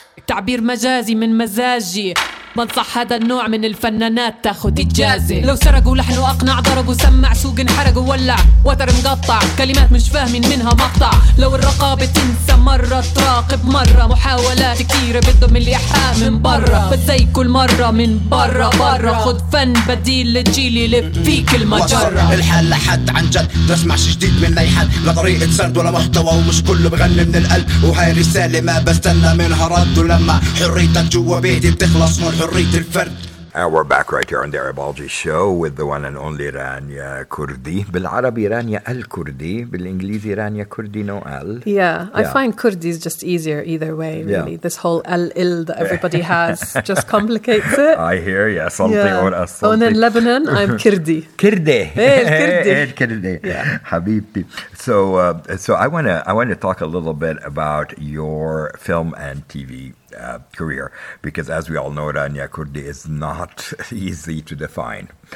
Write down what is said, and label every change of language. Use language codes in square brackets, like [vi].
[ar] تعبير مجازي من مزاجي بنصح هذا النوع من الفنانات تاخد إجازة لو سرقوا لحن وأقنع ضرقوا سمع سوق انحرق وولع وتر مقطع كلمات مش فاهمين منها مقطع لو الرقابة تنسى مرة تراقب مرة محاولات كثيرة بدهم الإيحاء من برا بس زي كل مرة من برا برا خد فن بديل لجيلي لب فيك المجرة وصل الحال لحد عن جد تسمعش جديد من أي حد لا طريقة سرد ولا محتوى ومش كله بغني من القلب وهاي رسالة ما بستنى منها رد ولما حريتك جوا بيتي بتخلص [en] We're back right here on the Arabology show with the one and only Rania Kurdi. [ar] بالعربي رانيا الكردي بالإنجليزي رانيا كردي no L. [en] Yeah, I find Kurdi is just easier either way, really. Yeah. This whole L-il that everybody has just complicates it. I hear, yeah, something or yeah. something. Oh, in Lebanon, I'm Kurdi. Kurdi. Hey, Kurdi. Hey, Kurdi. Yeah. Habibti. So I want to talk a little bit about your film and TV career, because as we all know, Rania Kurdi is not easy to define.